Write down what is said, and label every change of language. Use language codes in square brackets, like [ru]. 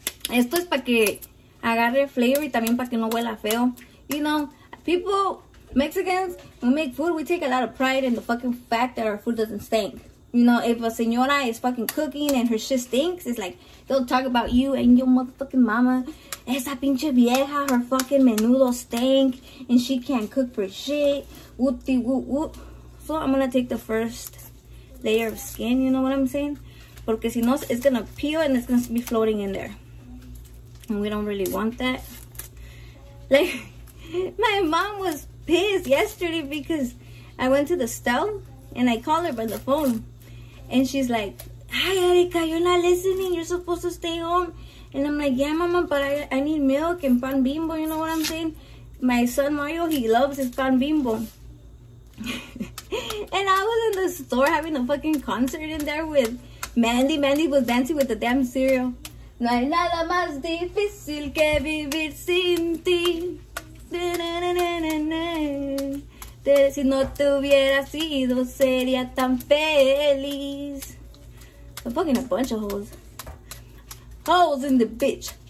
[es] Esto es para que agarre flavor y también para que no huela feo. [en] You know, people, Mexicans, when we make food, we take a lot of pride in the fucking fact that our food doesn't stink. You know, if a señora is fucking cooking and her shit stinks, it's like, they'll talk about you and your motherfucking mama. [es] Esa pinche vieja, [en] her fucking menudo stink and she can't cook for shit. Wooty woot woot. So I'm gonna take the first layer of skin, you know what I'm saying? [es] Porque si no, [en] it's gonna peel and it's gonna be floating in there. And we don't really want that. Like, my mom was pissed yesterday because I went to the stove and I called her by the phone. And she's like, hi, Erica, you're not listening. You're supposed to stay home. And I'm like, yeah, mama, but I need milk and pan bimbo, you know what I'm saying? My son Mario, he loves his pan bimbo. And I was in the store having a fucking concert in there with Mandy. Mandy was dancing with the damn cereal. [es] No hay nada más difícil que vivir sin ti. Si no te hubiera sido, sería tan feliz. [en] I'm fucking a bunch of holes. Holes in the bitch.